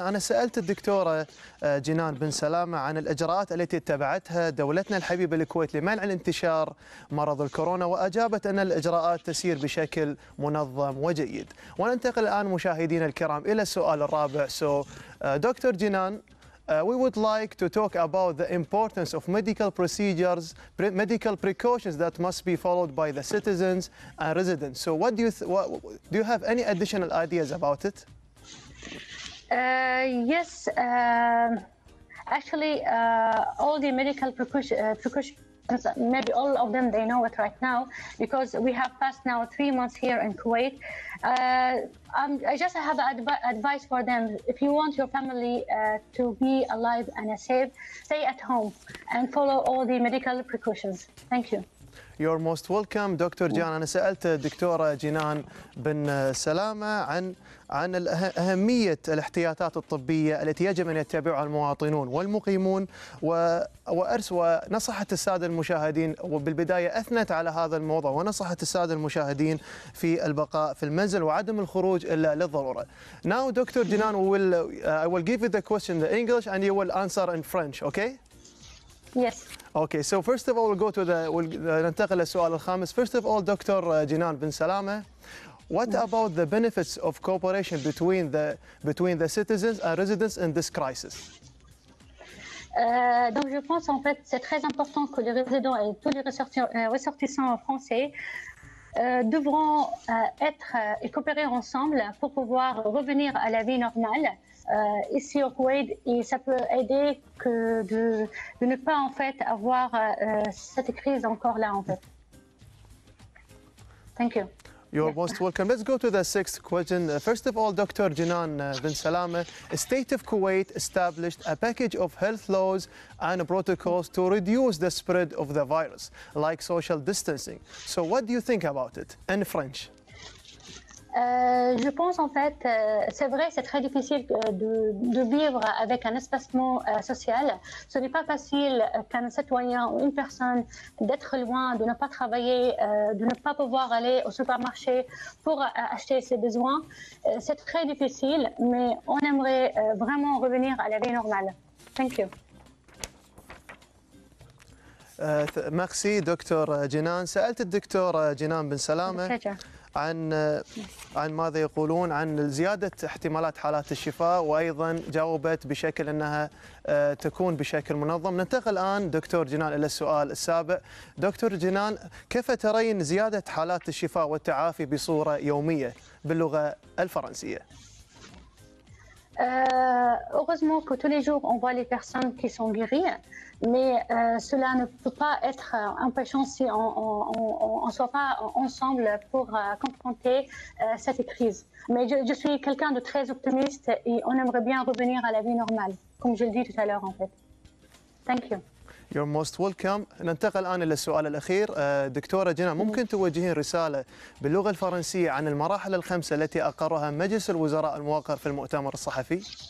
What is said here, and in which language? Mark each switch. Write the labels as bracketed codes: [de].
[ar] أنا سألت الدكتورة جنان بن سلامة عن الإجراءات التي اتبعتها دولتنا الحبيبة الكويت لمنع الانتشار مرض الكورونا، وأجابت أن الإجراءات تسير بشكل منظم وجيد. وننتقل الآن مشاهدينا الكرام إلى السؤال الرابع. [en] So, Dr. جنان, we would like to talk about the importance of medical procedures, medical precautions that must be followed by the citizens and residents. So what do you do you have any additional ideas about it? Yes, actually all the medical precautions, maybe all of them, they know it right now because we have passed now 3 months here in Kuwait. I just have advice for them. If you want your family to be alive and safe, stay at home and follow all the medical precautions. Thank you. You're most welcome, Dr. جيهان. [ar] أنا سألت دكتورة جنان بن سلامة عن أهمية الاحتياطات الطبية التي يجب أن يتبعها المواطنون والمقيمون، ونصحت السادة المشاهدين، وبالبداية أثنت على هذا الموضوع ونصحت السادة المشاهدين في البقاء في المنزل وعدم الخروج إلا للضرورة. [en] Now, Dr. جنان, I will give you the question in English and you will answer in French, okay? Yes. Okay. So first of all, [ar] ننتقل للسؤال الخامس. [en] First of all, Dr. جنان بن سلامة, what about the benefits of cooperation between the citizens and residents in this crisis? [fr] Donc je pense en fait c'est très important que les résidents et tous les ressortissants français devront être et coopérer ensemble pour pouvoir revenir à la vie normale. Ici au Kuwait, et ça peut aider que de ne pas en fait avoir cette crise encore là en fait. [en] Thank you. You're most welcome. Let's go to the sixth question. First of all, Dr. Janan bin Salama, the state of Kuwait established a package of health laws and protocols to reduce the spread of the virus, like social distancing. So what do you think about it in French? [fr] Je pense en fait, c'est vrai, c'est très difficile de vivre avec un espacement social. Ce n'est pas facile qu'un citoyen ou une personne d'être loin, de ne pas travailler, de ne pas pouvoir aller au supermarché pour acheter ses besoins. C'est très difficile, mais on aimerait vraiment revenir à la vie normale. [en] Thank you. [fr] Merci, Dr. جنان. [ar] سألت الدكتور جنان بن سلامة عن ماذا يقولون عن زيادة احتمالات حالات الشفاء، وأيضا جاوبت بشكل أنها تكون بشكل منظم. ننتقل الآن دكتور جنان إلى السؤال السابع. دكتور جنان، كيف ترين زيادة حالات الشفاء والتعافي بصورة يومية باللغة الفرنسية؟ [fr] Heureusement que tous les jours on voit les personnes qui sont guéries, mais cela ne peut pas être empêchant si on ne soit pas ensemble pour confronter cette crise. Mais je suis quelqu'un de très optimiste et on aimerait bien revenir à la vie normale, comme je le dis tout à l'heure en fait. [en] Thank you. You're most welcome. [ar] ننتقل الآن إلى السؤال الأخير. دكتورة جنان، ممكن توجهين رسالة باللغة الفرنسية عن المراحل الخمسة التي أقرها مجلس الوزراء الموقر في المؤتمر الصحفي؟